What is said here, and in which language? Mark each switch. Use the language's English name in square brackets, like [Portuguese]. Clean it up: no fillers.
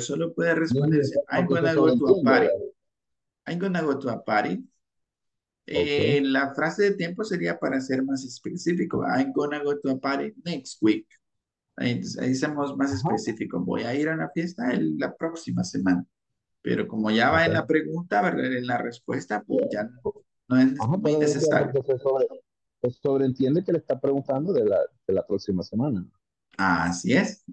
[Spanish] Solo puede responder, [English] I'm gonna go to a party. I'm gonna go to a party. Okay. [Spanish] La frase de tiempo sería para ser más específico. [English] I'm gonna go to a party next week. [Spanish] Ahí somos más específicos. Voy a ir a una fiesta la próxima semana. Pero como ya va en la pregunta, ¿verdad? En la respuesta, pues ya no es muy necesario. Pues sobreentiende que le está preguntando de la próxima semana. Así es.